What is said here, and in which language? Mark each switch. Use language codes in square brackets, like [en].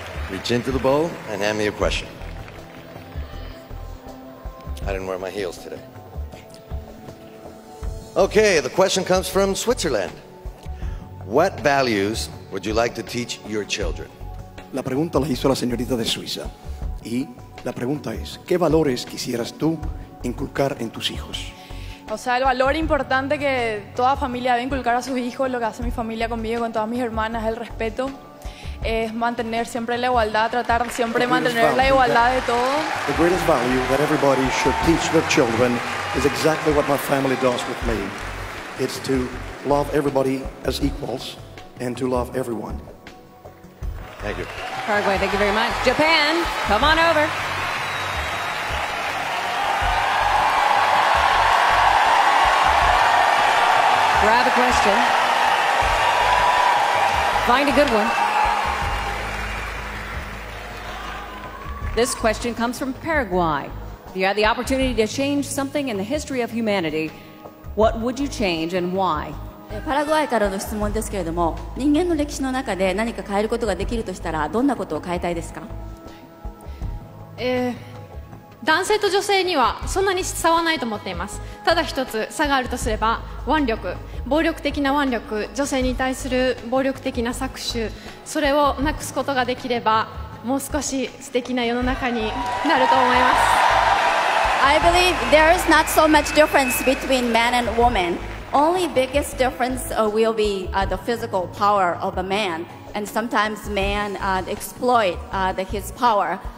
[en] Reach into the bowl and hand me a question. I didn't wear my heels today. Okay, the question comes from Switzerland. What values would you like to teach your children? [es] La pregunta la hizo la señorita de Suiza. Y la pregunta es, ¿qué valores quisieras tú inculcar en tus hijos? O sea, el valor importante que toda familia debe inculcar a sus hijos, lo que hace mi familia conmigo, con todas mis hermanas, es el respeto. Es mantener siempre la igualdad, tratar siempre de mantener la igualdad de todo. [en] The greatest value that everybody should teach their children is exactly what my family does with me. It's to love everybody as equals and to love everyone. Thank you. Paraguay, thank you very much. Japan, come on over. Grab a question. Find a good one. This question comes from Paraguay. If you had the opportunity to change something in the history of humanity, what would you change and why? [ja] Paraguay からの質問ですけれども、人間の歴史の中で何か変えることができるとしたら、どんなことを変えたいですか？男性と女性にはそんなに差はないと思っています。ただ一つ差があるとすれば、腕力、暴力的な腕力、女性に対する暴力的な搾取、それをなくすことができれば、もう少し素敵な世の中になると思います。 [en] I believe there is not so much difference between man and woman. Only biggest difference will be the physical power of a man. And sometimes man exploit his power.